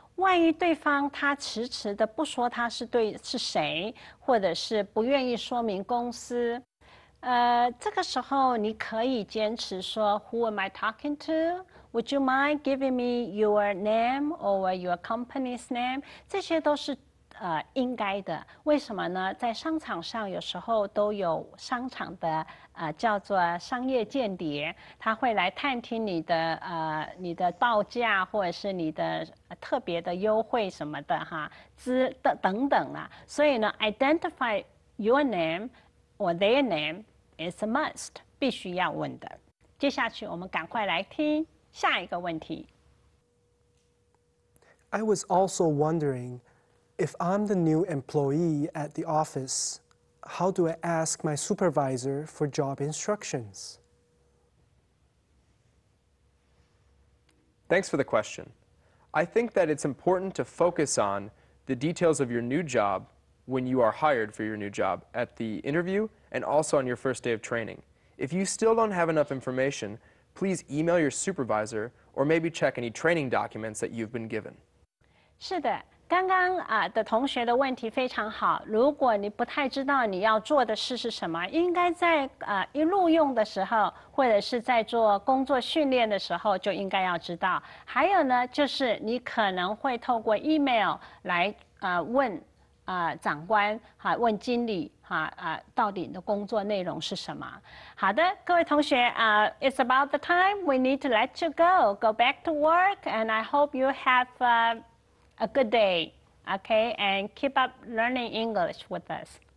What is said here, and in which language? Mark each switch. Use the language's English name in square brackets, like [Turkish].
[Chinese] 万一对方他迟迟的不说他是对是谁，或者是不愿意说明公司。这个时候你可以坚持说 [English] Who am I talking to? Would you mind giving me your name or your company's name? [Chinese] 这些都是应该的。为什么呢？在商场上有时候都有商场的叫做商业间谍，他会来探听你的你的报价或者是你的特别的优惠什么的哈，等等啊。所以呢 [English] ，identify your name or their name。 It's a must, [Chinese] 必须要问的。接下去我们赶快来听下一个问题。 [English] I was also wondering, if I'm the new employee at the office, how do I ask my supervisor for job instructions? Thanks for the question. I think that it's important to focus on the details of your new job when you are hired for your new job at the interview,and also on your first day of training. If you still don't have enough information, please email your supervisor or maybe check any training documents that you've been given. [Chinese] 是的，刚刚的同学的问题非常好。如果你不太知道你要做的事是什么，应该在一录用的时候，或者是在做工作训练的时候就应该要知道。还有呢，就是你可能会透过 email 来问长官，问经理。到底你的工作内容是什么？好的，各位同学 [English] it's about the time we need to let you go. Go back to work, and I hope you have a good day. Okay, and keep up learning English with us.